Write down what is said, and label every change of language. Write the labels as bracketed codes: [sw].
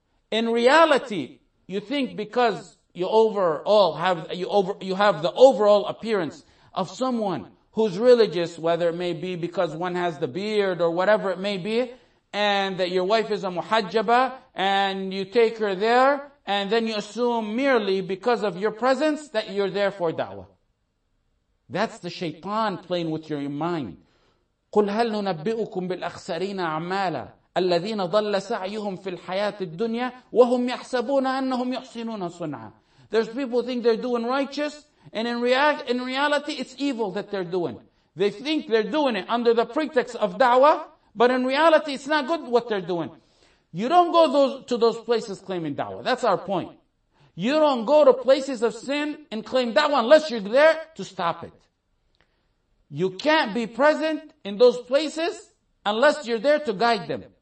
[en] In reality, you think because you have the overall appearance of someone who's religious, whether it may be because one has the beard or whatever it may be, and that your wife is a muhajjaba, and you take her there, and then you assume merely because of your presence that you're there for da'wah. That's the shaitan playing with your mind. [ar] قُلْ هَلْ نُنَبِّئُكُمْ بِالْأَخْسَرِينَ أَعْمَالًا الَّذِينَ ضَلَّ سَعْيُهُمْ فِي الْحَيَاةِ الدُّنْيَا وَهُمْ يَحْسَبُونَ أَنَّهُمْ يُحْسِنُونَ صُنْعًا [en] There's people who think they're doing righteous, and in reality, it's evil that they're doing. They think they're doing it under the pretext of da'wah, but in reality, it's not good what they're doing. You don't go to those places claiming da'wah. That's our point. You don't go to places of sin and claim da'wah unless you're there to stop it. You can't be present in those places unless you're there to guide them.